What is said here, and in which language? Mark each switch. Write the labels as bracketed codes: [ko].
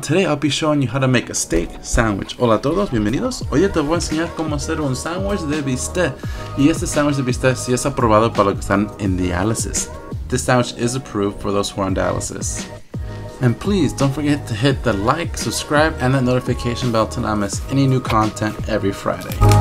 [en] Today I'll be showing you how to make a steak sandwich. [es] Hola a todos, bienvenidos. Hoy te voy a enseñar cómo hacer un sandwich de bistec. Y este sandwich de bistec sí es aprobado para los que están en dialysis. [en] This sandwich is approved for those who are on dialysis. And please, don't forget to hit the like, subscribe, and that notification bell to not miss any new content every Friday.